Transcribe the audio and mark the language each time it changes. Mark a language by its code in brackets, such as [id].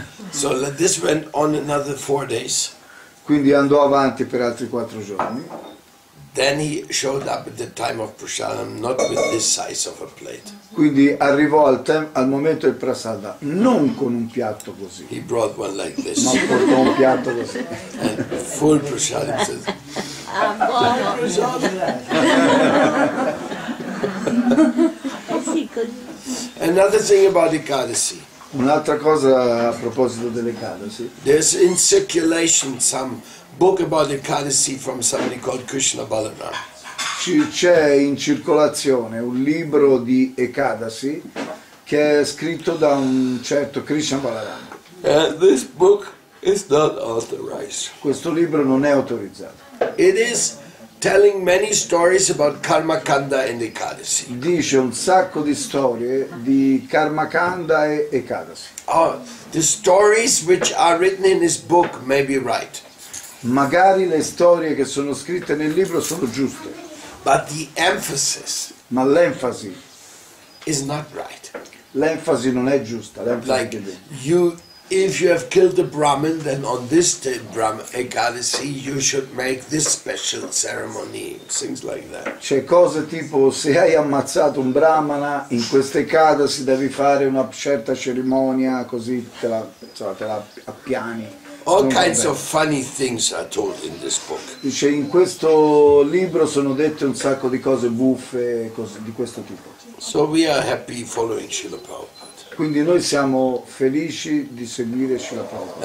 [en] So this went on another 4 days. [it] Quindi andò avanti per altri 4 giorni. [en] Then he showed up at the time of prasadam not with this size of a plate. [it] Quindi arrivò al momento del prasada non con un piatto così. [en] He brought one like this. [it] Ma portò un piatto così. [en] And full prasadam. I'm going on. Another thing about the Ekadasi. [it] Un'altra cosa a proposito delle Ekadasi. [en] There's in circulation some book about Ekadasi from somebody called Krishna Balaram. [it] C'è in circolazione un libro di Ekadasi che è scritto da un certo Krishna Balaram. [en] This book is not authorized. [it] Questo libro non è autorizzato. [en] It is telling many stories about Karma Kanda and Ekadasi. [it] Dice un sacco di storie di Karma Kanda e Ekadasi. [en] Oh, the stories which are written in his book may be right. [it] Magari le storie che sono scritte nel libro sono giuste. [en] But the emphasis. [it] Ma l'enfasi. [en] Is not right. [it] L'enfasi non è giusta. [en] Like you. If you have killed the Brahmin, then on this day, Brahmin Ekadasi, you should make this special ceremony, things like that. [it] C'è cose tipo, se hai ammazzato un Brahmana, in queste Ekadasi devi fare una certa cerimonia, così te la appiani. [en] All kinds of funny things are told in this book. [it] Dice, in questo libro sono dette un sacco di cose buffe, cose di questo tipo. [en] So we are happy following Srila Prabhupada. [it] Quindi noi siamo felici di seguire Srila Prabhupada.